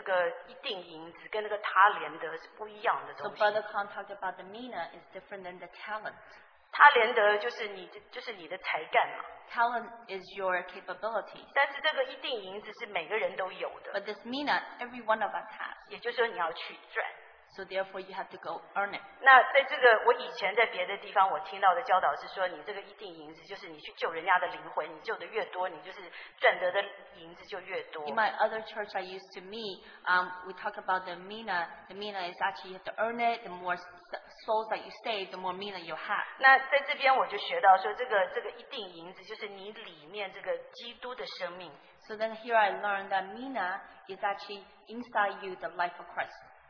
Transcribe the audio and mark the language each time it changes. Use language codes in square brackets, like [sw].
[zh] 所以他有讲到，江弟兄后来讲到这个一锭银子跟那个他连德是不一样的东西。 [en] So Brother Khan talked about the mina is different than the talent. [zh] 他连德就是你的才干嘛。 [en] Talent is your capability. [zh] 但是这个一锭银子是每个人都有的。 [en] But this mina, every one of us has. [zh] 也就是说你要去赚。 [en] So therefore you have to go earn it. [zh] 那在这个我以前在别的地方我听到的教导是说，你这个一锭银子就是你去救人家的灵魂，你救的越多，你就是赚得的银子就越多。 [en] In my other church I used to meet, we talk about the mina. The mina is actually you have to earn it. The more souls that you save, the more mina you have. [zh] 那在这边我就学到说，这个一锭银子就是你里面这个基督的生命。 [en] So then here I learned that mina is actually inside you the life of Christ.